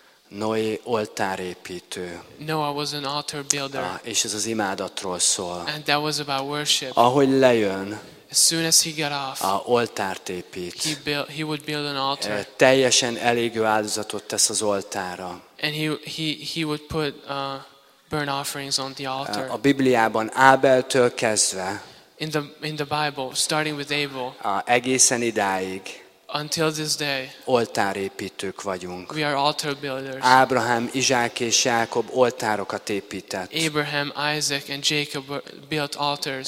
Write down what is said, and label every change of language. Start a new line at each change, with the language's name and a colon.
Hungarian: Noé oltárépítő.
English: Noah was an altar builder.
Hungarian: És ez az imádatról szól.
English: And that was about worship.
Hungarian: Ahogy lejön,
English: as soon as he got off,
Hungarian: a oltárt épít.
English: He would build an altar.
Hungarian: Teljesen elégő áldozatot tesz az oltára.
English: And he would put burnt offerings on the altar.
Hungarian: A Bibliában Ábeltől kezdve,
English: in the Bible, starting with Abel,
Hungarian: egészen idáig.
English: Until this day,
Hungarian: oltárépítők vagyunk.
English: We are altar builders.
Hungarian: Ábrahám, Izsák és Jákob oltárokat épített.
English: Abraham, Isaac and Jacob built altars.